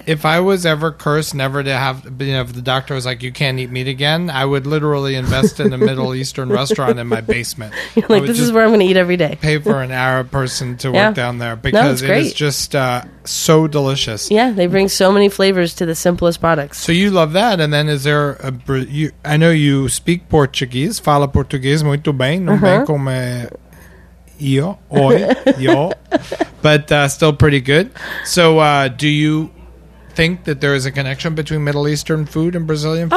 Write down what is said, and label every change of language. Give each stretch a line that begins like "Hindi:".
English: If I was ever cursed never to have, you know, if the doctor was like, you can't eat meat again, I would literally invest in a Middle Eastern restaurant in my basement. Like, this is where I'm going to eat every day. Pay for an Arab person to work down there because it is just so delicious. Yeah, they bring so many flavors to the simplest products. So you love that. And then is there a I know you speak Portuguese.
Portuguese: Fala português muito bem, não bem como eu, oi, yo,
English: but still pretty good. So, do you think that there is a connection between Middle Eastern food and Brazilian food?